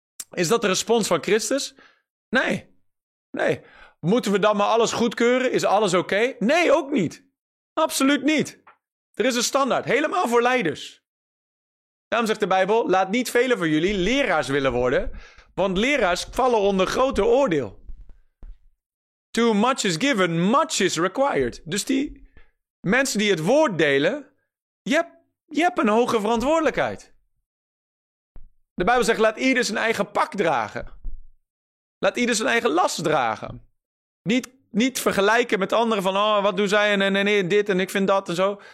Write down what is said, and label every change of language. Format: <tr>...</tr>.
<nl>Is dat de respons van Christus? Nee. Nee. Moeten we dan maar alles goedkeuren? Is alles oké? Nee, ook niet. Absoluut niet. Er is een standaard, helemaal voor leiders. Daarom zegt de Bijbel, laat niet velen van jullie leraars willen worden, want leraars vallen onder groter oordeel.</nl> <en>Too much is given, much is required.</en> <nl>Dus die mensen die het woord delen, je hebt een hoge verantwoordelijkheid. De Bijbel zegt, laat ieder zijn eigen pak dragen. Laat ieder zijn eigen last dragen. Niet vergelijken met anderen van, oh, wat doen zij en dit en ik vind dat en zo.</nl>